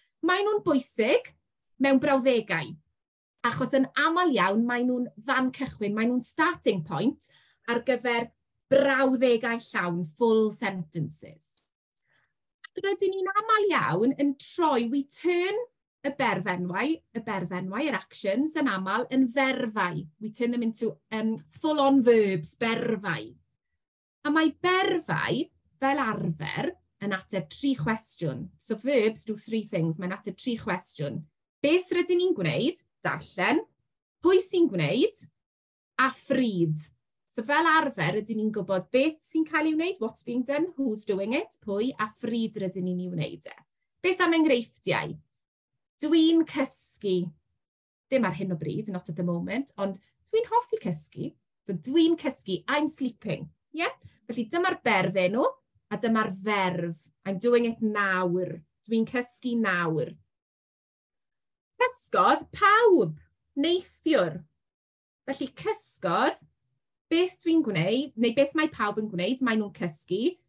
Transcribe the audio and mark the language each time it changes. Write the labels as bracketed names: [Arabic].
[Welsh] Maen nhw'n bwysig mewn brawddegau. Achos yn aml iawn, maen nhw'n fan cychwyn, maen nhw'n starting point ar gyfer brawddegau llawn, [English] full sentences. [Welsh] Rydyn ni'n aml iawn yn troi, [English] we turn [Welsh] y berfenwau, yr actions yn aml, yn ferfau. [English] We turn them into full-on verbs, berfau. [Welsh] A mae berfau, fel arfer, yn ateb tri chwestiwn. [English] So verbs do three things, [Welsh] mae'n ateb tri chwestiwn. Beth rydyn ni'n gwneud? Darllen. Pwy sy'n gwneud? A phryd. So fel arfer, rydyn ni'n gwybod beth sy'n cael ei wneud, [English] what's being done, who's doing it, [Welsh] pwy, a phryd rydyn ni'n ei wneud e. Beth am enghreifftiau? Dwi'n cysgu. Ddim ar hyn o bryd, [English] not at the moment, [Welsh] ond dwi'n hoffi cysgu. So dwi'n cysgu, [English] I'm sleeping. Yeah? [Welsh] Felly dyma'r berf enw, a dyma'r ferf. [English] I'm doing it [Welsh] nawr. Dwi'n cysgu nawr. Cysgodd pawb, neithiwr. Felly cysgodd. Beth dwi'n gwneud, neu beth mae pawb yn gwneud, maen nhw'n cysgu.